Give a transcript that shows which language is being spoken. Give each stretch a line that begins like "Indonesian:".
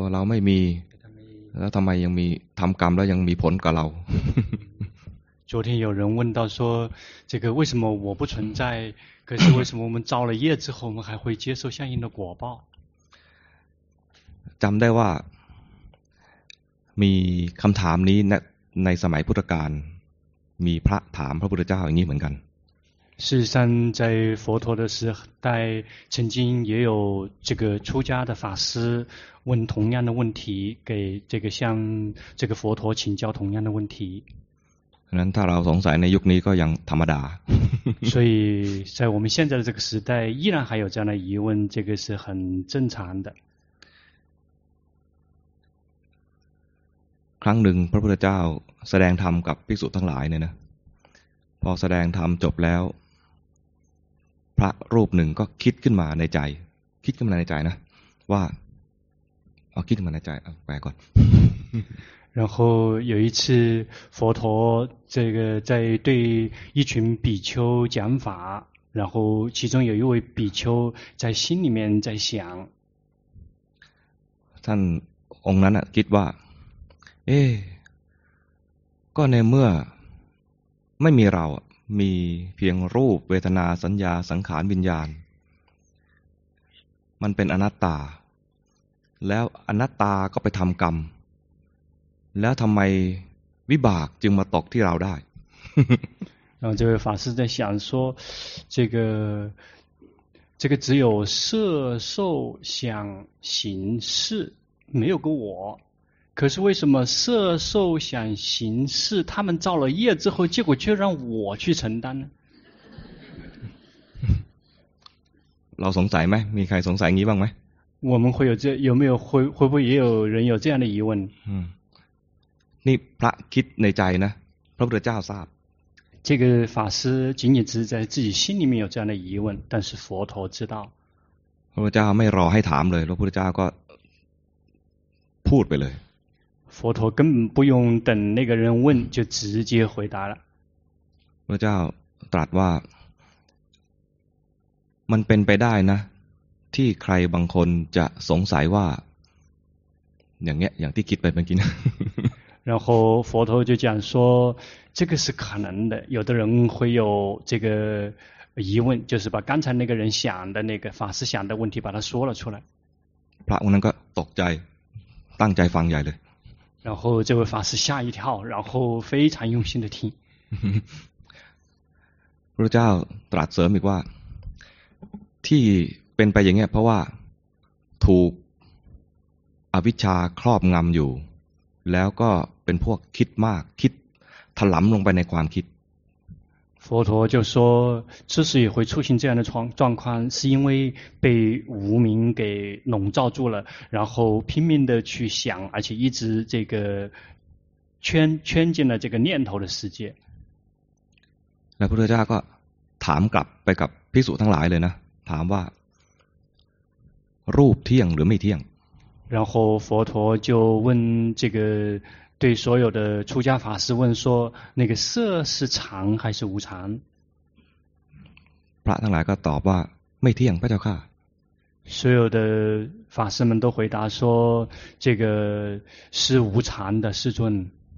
Thai: วเราไม่มีแล้วทำไมยังมีทำกรรมแล้วยังมีผลกับเรา
Chinese: 昨天有人问到说这个为什么我不存在可是为什么我们造了业之后我们还会接受相应的果报
Thai: จําได้ว่ามีคําถามนี้ในสมัยพุทธกาลมีพระถามพระพุทธเจ้าอย่างนี้เหมือนกัน
Chinese: 事实上在佛陀的时代曾经也有这个出家的法师问同样的问题给这个向这个佛陀请教同样的问题
Thai: นั้นถ้าเราสงสัยในยุคนี้ก็ยังธรรมดา
Chinese: 所以在我们现在的这个时代依然还有这样的疑问这个是很正常的
Thai: ครั้งหนึ่งพระพุทธเจ้าแสดงธรรมกับภิกษุทั้งหลายเนี่ยนะพอแสดงธรรมจบแล้วพระรูปหนึ่งก็คิดขึ้นมาในใจคิดขึ้นมาในใจนะว่าเอาคิดขึ้นมาในใจเอาไปก่อน
Chinese: 然后有一次佛陀这个在对一群比丘讲法然后其中有一位比丘在心里面在想
Thai: ท่านองค์นั้นคิดว่าเอ๊ะก็ในเมื่อไม่มีเรามีเพียงรูปเวทนาสัญญาสังขารวิญญาณมันเป็นอนัตตาแล้วอนัตตาก็ไปทำกรรมแล้วทำไมวิบากจึงมาตกที่เราได้
Chinese: 然后这位法师在想说这个只有色受想行识没有个我可是为什么色受想行识他们造了业之后结果却让我去承担呢
Thai: เราสงสัยไหมมีใครสงสัยงี้บ้างไหม
Chinese: 我们会有这有没有会不会也有人有这样的疑问
Thai: นี่พระคิดในใจนะพระพุทธเจ้าทราบ
Chinese: 这个法师仅仅只是在自己心里面有这样的疑问但是佛陀知道
Thai: พระพุทธเจ้าไม่รอให้ถามเลยพระพุทธเจ้าก็พูดไปเลย
Chinese: 佛陀根本不用等那个人问就直接回答了
Thai: พระเจ้าตรัสว่ามันเป็นไปได้นะที่ใครบางคนจะสงสัยว่าอย่างเงี้ยอย่างที่คิดไปเมื่อกี้นะ
Chinese: 然后佛陀就讲说这个是可能的有的人会有这个疑问就是把刚才那个人想的那个法师想的问题把他说了出来
Thai: พระองค์นั้นก็ตกใจตั้งใจฟังใหญ่เลย
Chinese: 然后这位法师吓一跳然后非常用心的听
Thai: พระเจ้าตรัสเสริมอีกว่าที่เป็นไปอย่างนี้เพราะว่าถูกอวิชชาครอบงำอยู่แล้วก็เป็นพวกคิดมากคิดถลำลงไปในความคิด
Chinese: 佛陀就说之所以会出现这样的状况是因为被无明给笼罩住了然后拼命的去想而且一直这个圈进了这个念头的世界
Thai: แล้วพระพุทธเจ้าก็ถามกลับไปกับภิกษุทั้งหลายเลยนะถามว่ารูปเที่ยงหรือไม่เที่ยง
Chinese: 然后佛陀就问这个对所有的出家法师问说那个色是常还是无常
Thai: พระทั้งหลายก็ตอบว่าไม่เที่ยงพระเจ้าค่ะ
Chinese: 所有的法师们都回答说这个是无常的世尊